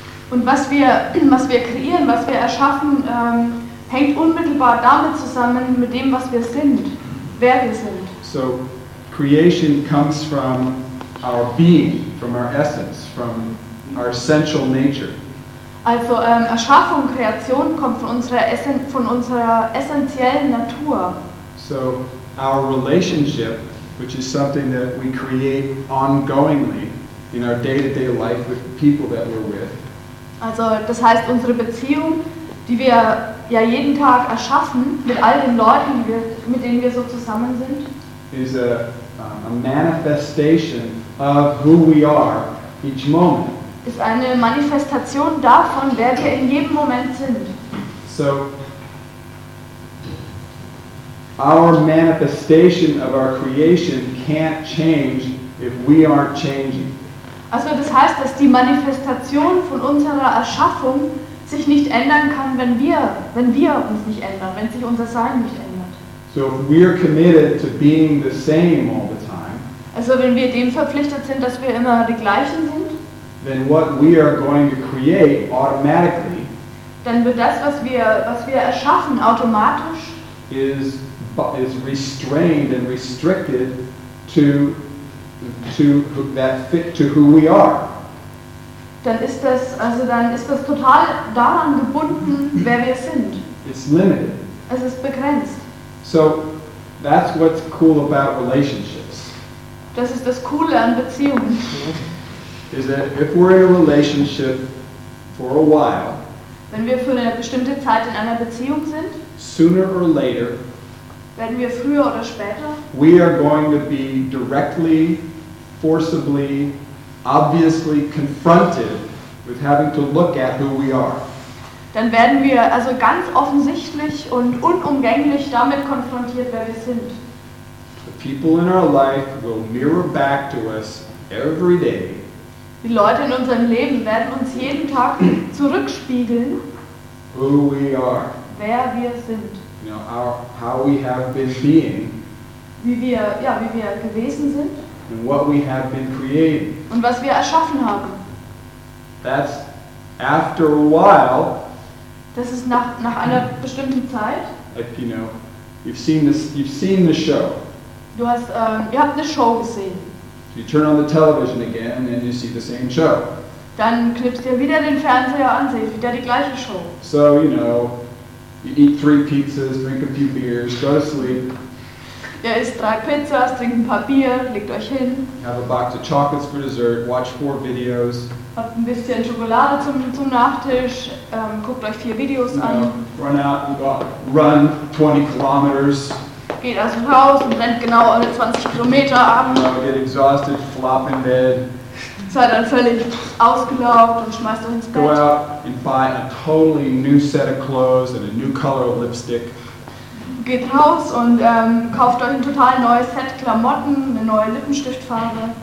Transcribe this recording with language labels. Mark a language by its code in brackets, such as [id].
[de] Und was wir kreieren, was wir erschaffen, hängt unmittelbar damit zusammen, mit dem, was wir sind, wer wir sind. [en] So creation comes from our being, from our essence, from our essential nature. [de] Also Erschaffung, Kreation kommt von unserer essentiellen Natur. [en] So our relationship, which is something that we create ongoingly in our day-to-day life with the people that we're with. [de] Also, das heißt, unsere Beziehung, die wir ja jeden Tag erschaffen mit all den Leuten, mit denen wir so zusammen sind, [en] is a manifestation of who we are each moment. [de] Ist eine Manifestation davon, wer wir in jedem Moment sind. [en] So, our manifestation of our creation can't change if we aren't changing. [de] Also, das heißt, dass die Manifestation von unserer Erschaffung sich nicht ändern kann, wenn wir uns nicht ändern, wenn sich unser Sein nicht ändert. [en] So, if we're committed to being the same all the time. [de] Also, wenn wir dem verpflichtet sind, dass wir immer die gleichen sind. [en] Then what we are going to create automatically, [de] dann wird das, was wir erschaffen, automatisch, [en] is restrained and restricted to who we are. [de] Dann ist das total daran gebunden, wer wir sind. [en] It's limited. [de] Es ist begrenzt. [en] So that's what's cool about relationships. [de] Das ist das Coole an Beziehungen. [en] Is that if we're in a relationship for a while, [de] wenn wir für eine bestimmte Zeit in einer Beziehung sind, [en] sooner or later, [de] werden wir früher oder später, [en] we are going to be directly, forcibly, obviously confronted with having to look at who we are. [de] Dann werden wir also ganz offensichtlich und unumgänglich damit konfrontiert, wer wir sind. [en] The people in our life will mirror back to us every day. [de] Die Leute in unserem Leben werden uns jeden Tag zurückspiegeln, [en] who we are, [de] wer wir sind, [en] you know, how we have been being, [de] wie wir gewesen sind, [en] and what we have been creating, [de] und was wir erschaffen haben. [en] That's after a while. [de] Das ist nach einer bestimmten Zeit. [en] Like, you know, you've seen the show. [de] Du hast ihr habt eine Show gesehen. [en] You turn on the television again and you see the same show. [de] Dann knippst du wieder den Fernseher an, siehst wieder die gleiche Show. [en] So, you know, you eat three pizzas, drink a few beers, go to sleep. [de] Ihr isst drei Pizzas, trinkt ein paar Bier, legt euch hin. [en] Have a box of chocolates for dessert, watch four videos. [de] Habt ein bisschen Schokolade zum Nachtisch, guckt euch vier Videos an. [en] Run out and run 20 kilometers. [de] Geht aus dem Haus und rennt genau alle 20 Kilometer ab. [en] Get exhausted, flop in bed. [de] Seid dann völlig ausgelaugt und schmeißt euch ins Bett. [en] Go out and buy a totally new set of clothes and a new color of lipstick. [de] Geht raus und kauft euch ein total neues Set Klamotten, eine neue Lippenstiftfarbe.